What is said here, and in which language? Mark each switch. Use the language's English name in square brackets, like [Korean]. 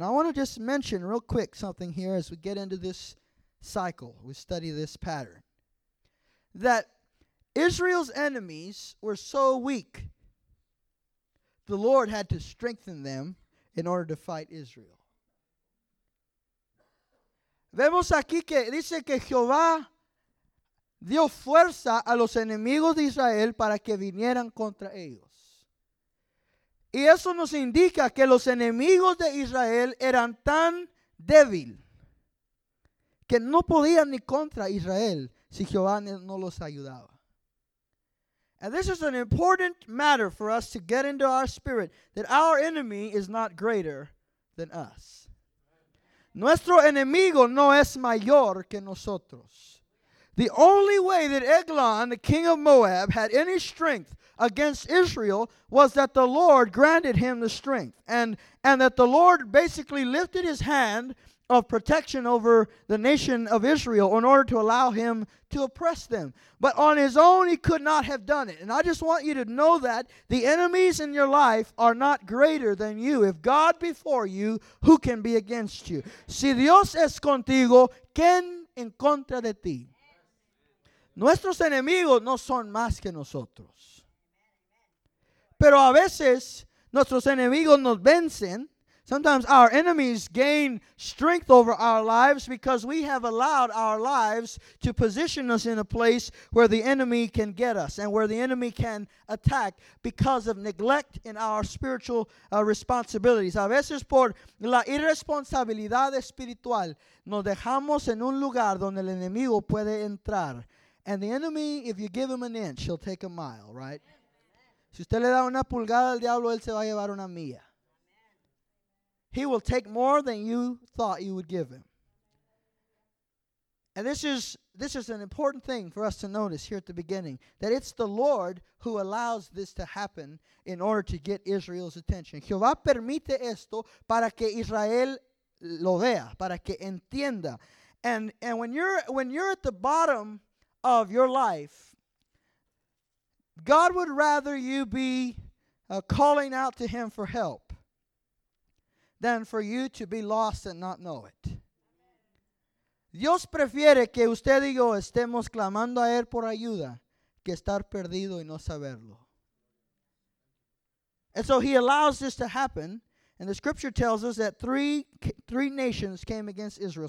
[English] Now, I want to just mention real quick something here as we get into this cycle, we study this pattern, that Israel's enemies were so weak, the Lord had to strengthen them in order to fight Israel. [Spanish] Vemos aquí que dice que Jehová dio fuerza a los enemigos de Israel para que vinieran contra ellos. Y eso nos indica que los enemigos de Israel eran tan débil que no podían ni contra Israel si Jehová no los ayudaba. [English] And this is an important matter for us to get into our spirit, that our enemy is not greater than us. [Spanish] Nuestro enemigo no es mayor que nosotros. [English] The only way that Eglon, the king of Moab, had any strength against Israel was that the Lord granted him the strength. And that the Lord basically lifted his hand of protection over the nation of Israel in order to allow him to oppress them. But on his own, he could not have done it. And I just want you to know that the enemies in your life are not greater than you. If God be for you, who can be against you? [Spanish] Si Dios es contigo, ¿quién en contra de ti? Nuestros enemigos no son más que nosotros. Pero a veces, nuestros enemigos nos vencen. [English] Sometimes our enemies gain strength over our lives because we have allowed our lives to position us in a place where the enemy can get us and where the enemy can attack because of neglect in our spiritual responsibilities. [Spanish] A veces por la irresponsabilidad espiritual nos dejamos en un lugar donde el enemigo puede entrar. [English] And the enemy, if you give him an inch, he'll take a mile, right? [Spanish] Si usted le da una pulgada al diablo, él se va a llevar una milla. [English] He will take more than you thought you would give him. And this is an important thing for us to notice here at the beginning, that it's the Lord who allows this to happen in order to get Israel's attention. [Spanish] Jehová permite esto para que Israel lo vea, para que entienda. [English] And when you're at the bottom of your life, God would rather you be calling out to him for help than for you to be lost and not know it. [Spanish] Dios prefiere que usted y yo estemos clamando a él por ayuda que estar perdido y no saberlo. [English] And so he allows this to happen, and the scripture tells us that three nations came against Israel.